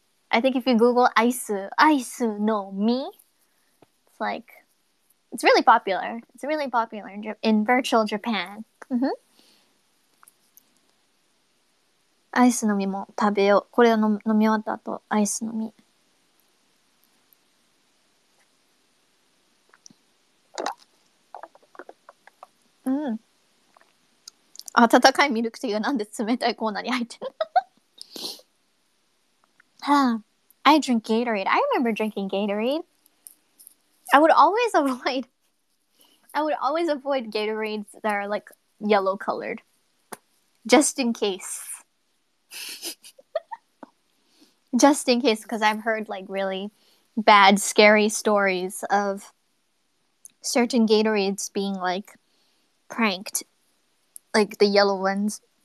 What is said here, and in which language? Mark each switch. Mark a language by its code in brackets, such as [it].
[en] I think if you Google ice no mi, it's like, it's really popular. It's really popular in virtual Japan. [ja] アイス飲みも食べよう。これを飲み終わった後、アイス飲み。温かいミルクティーがなんで冷たいコーナーに入ってる。 [en] I drink Gatorade. I remember drinking Gatorade. I would always avoid Gatorades that are like yellow colored. Just in case. Just in case, because I've heard like really bad, scary stories of certain Gatorades being like pranked, like the yellow ones.